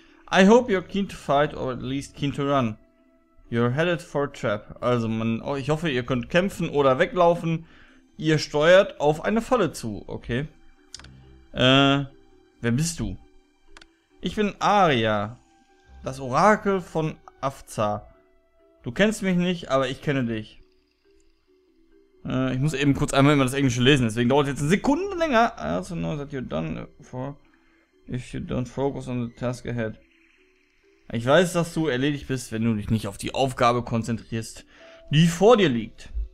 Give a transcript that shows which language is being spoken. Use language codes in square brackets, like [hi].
[en] I hope you're keen to fight or at least keen to run. You're headed for a trap. [de] Also, ich hoffe, ihr könnt kämpfen oder weglaufen. Ihr steuert auf eine Falle zu. Okay. Wer bist du? Ich bin Aria, das Orakel von Afza. Du kennst mich nicht, aber ich kenne dich. Ich muss eben kurz einmal immer das Englische lesen. Deswegen dauert es jetzt eine Sekunde länger. [en] I also know that you're done for if you don't focus on the task ahead. [de] Ich weiß, dass du erledigt bist, wenn du dich nicht auf die Aufgabe konzentrierst, die vor dir liegt.